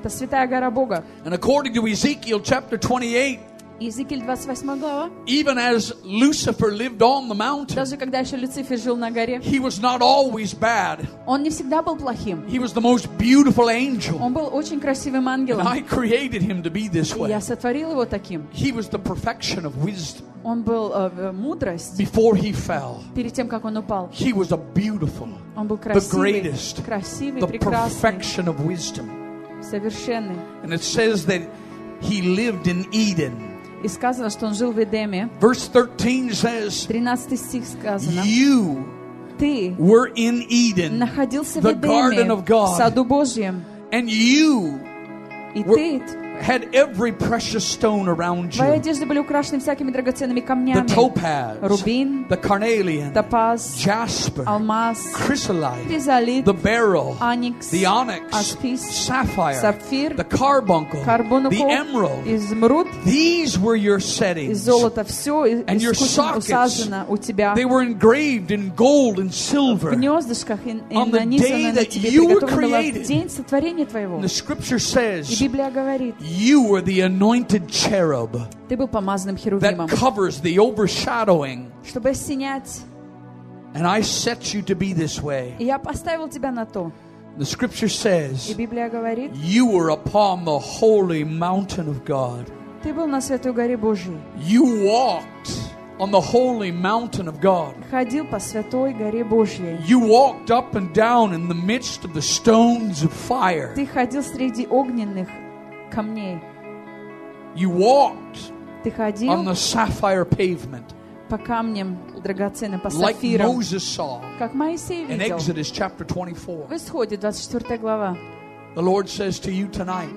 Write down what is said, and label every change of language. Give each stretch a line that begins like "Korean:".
Russian: Это святая гора Бога.
English: And according to Ezekiel chapter 28.
Russian: Иезекииль 28 глава.
English: Even as Lucifer lived on the mountain.
Russian: Даже когда еще Люцифер жил на горе.
English: He was not always bad.
Russian: Он не всегда был плохим.
English: He was the most beautiful angel.
Russian: Он был очень красивым ангелом.
English: And I created him to be this way.
Russian: Я сотворил его таким.
English: He was the perfection of wisdom.
Russian: Он был мудрость.
English: Before he fell.
Russian: Перед тем как он упал.
English: He was a beautiful.
Russian: Он был красивый.
English: The greatest.
Russian: Красивый,
English: the
Russian: прекрасный.
English: The perfection of wisdom.
Russian: Совершенный.
English: And it says that he lived in Eden.
Russian: И сказано, что он жил в Эдеме.
English: Verse 13 says.
Russian: 13 стих сказано.
English: You were in Eden.
Russian: Находился
English: the
Russian: в Эдеме.
English: Garden of God.
Russian: В саду Божьем.
English: And you.
Russian: И ты.
English: Had every precious stone around you.
Russian: Твои одежды были украшены всякими драгоценными камнями.
English: The topaz.
Russian: Рубин.
English: The carnelian.
Russian: Топаз.
English: Jasper.
Russian: Алмаз.
English: Chrysolite.
Russian: Хризолит.
English: The beryl.
Russian: Оникс.
English: The onyx.
Russian: Аспис.
English: Sapphire.
Russian: Сапфир.
English: The carbuncle.
Russian: Карбункул.
English: The emerald.
Russian: Изумруд.
English: These were your settings.
Russian: Из золота все
English: and your sockets,
Russian: усажено у тебя.
English: They were engraved in gold and silver.
Russian: В гнездышках и нанизано на тебе.
English: On the day that you were created.
Russian: В день сотворения твоего.
English: The scripture says.
Russian: И Библия говорит.
English: You were the anointed cherub.
Russian: Ты был помазанным херувимом.
English: That covers the overshadowing.
Russian: Чтобы осенять.
English: And I set you to be this way.
Russian: И я поставил тебя на то.
English: The scripture says.
Russian: И Библия говорит.
English: You were upon the holy mountain of God.
Russian: Ты был на святой горе Божьей.
English: You walked on the holy mountain of God.
Russian: Ходил по святой горе Божьей.
English: You walked up and down in the midst of the stones of fire.
Russian: Ты ходил среди огненных камней.
English: You walked.
Russian: Ты ходил
English: on the sapphire pavement.
Russian: По камням драгоценным, по
English: like
Russian: сапфирам.
English: Moses saw.
Russian: Как Моисей видел.
English: In Exodus chapter 24.
Russian: В Исходе 24 глава.
English: The Lord says to you tonight.